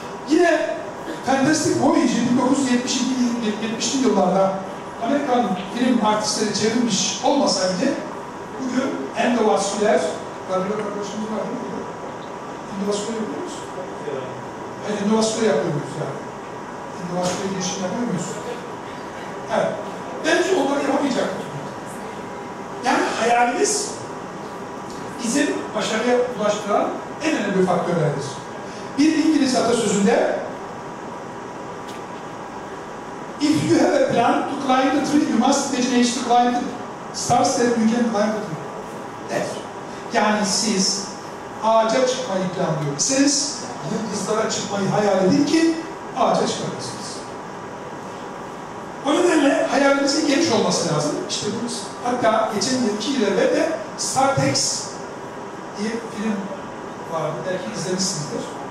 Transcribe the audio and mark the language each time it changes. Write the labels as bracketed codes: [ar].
[tr] Yine Fantastic Voyage'in 1970'li yıllarda Amerikan film artistleri çevirmiş olmasaydı, bugün endovasküler, garibler arkadaşımız var değil mi? Endovasküler yapıyor musunuz? Yani endovasküler yapıyor muyuz yani? Endovasküler girişim yapıyor muyuz? Evet. Belki onları yapamayacak. Yani hayalimiz bizi başarıya ulaştıran en önemli faktörlerdir. Bir İngiliz atasözünde [en] "If you have a plan to climb the tree, you must imagine to climb the stars that you can climb the tree." [tr] Evet. Yani siz ağaca çıkmayı planlıyorsanız, yıldızlara çıkmayı hayal edin ki ağaca çıkabilirsiniz. O nedenle hayalimizin genç olması lazım. İşte bu. Hatta geçen yılki yıl evvel de StarTex diye bir film vardı. Belki izlemişsinizdir.